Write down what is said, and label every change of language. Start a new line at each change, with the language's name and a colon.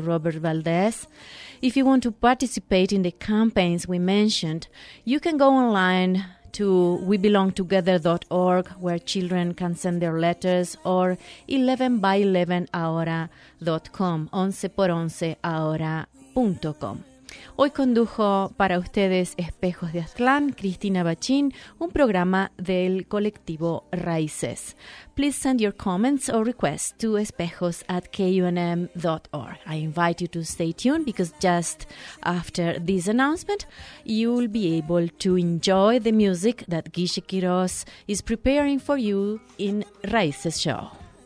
English: Robert Valdez. If you want to participate in the campaigns we mentioned, you can go online to webelongtogether.org, where children can send their letters, or 11by11ahora.com, 11por11ahora.com.
Spanish: Hoy condujo para ustedes Espejos de Aztlán, Cristina Bachín, un programa del colectivo Raíces.
English: Please send your comments or requests to espejos@kunm.org. I invite you to stay tuned, because just after this announcement, you'll be able to enjoy the music that Guiche Quiroz is preparing for you in Raíces Show.